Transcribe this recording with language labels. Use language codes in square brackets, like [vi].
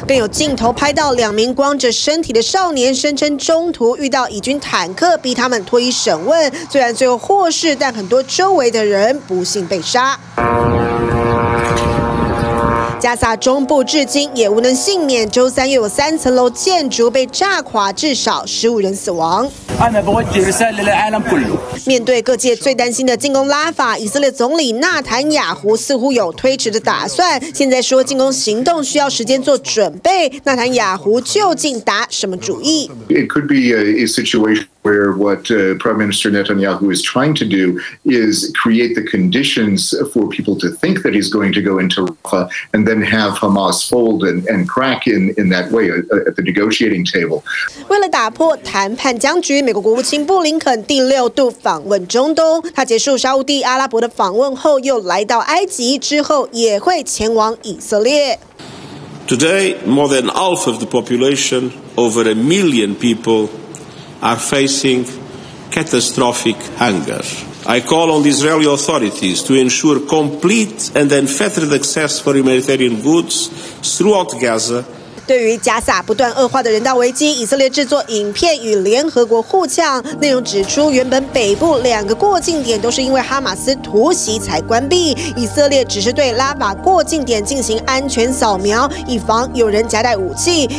[zh] 更有镜头拍到两名光着身体的少年，声称中途遇到以军坦克逼他们脱衣审问，虽然最后获释，但很多周围的人不幸被杀。加萨中部至今也无能幸免，周三又有三层楼建筑被炸垮，至少15人死亡。面对各界最担心的进攻拉法，以色列总理纳坦雅胡似乎有推迟的打算，现在说进攻行动需要时间做准备。纳坦雅胡究竟打什么主意？ [en] It could be a situation where what Prime Minister Netanyahu is trying to do is create the conditions for people to think that he's going to go into Rafah and then have Hamas fold and crack in that way at the negotiating table. [zh] 为了打破谈判僵局，美国国务卿布林肯第六度访问中东，他结束沙地阿拉伯的访问后又来到埃及，之后也会前往以色列。 [en] Today, more than half of the population, over 1 million people, are facing catastrophic hunger. I call on the Israeli authorities to ensure complete and unfettered access for humanitarian goods throughout Gaza. [zh] 对于加萨不断恶化的人道危机，以色列制作影片与联合国互呛，内容指出原本北部两个过境点都是因为哈马斯突袭才关闭，以色列只是对拉法过境点进行安全扫描，以防有人夹带武器。